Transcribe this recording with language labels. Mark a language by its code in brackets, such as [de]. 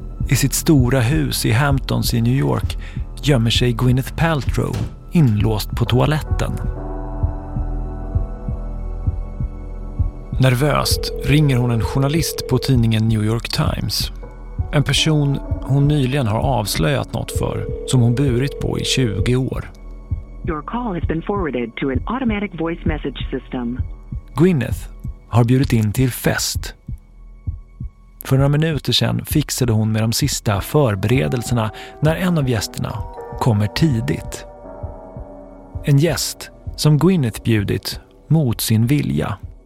[sv] I sitt stora hus i Hamptons i New York gömmer sig Gwyneth Paltrow inlåst på toaletten. Nervöst ringer hon en journalist på tidningen New York Times. En person hon nyligen har avslöjat något för som hon burit på i 20 år. [en] Your call has been forwarded to an automatic voice message system. [sv] Gwyneth har bjudit in till fest. För några minuter sedan fixade hon med de sista förberedelserna när en av gästerna kommer tidigt. En gäst som Gwyneth bjudit mot sin vilja.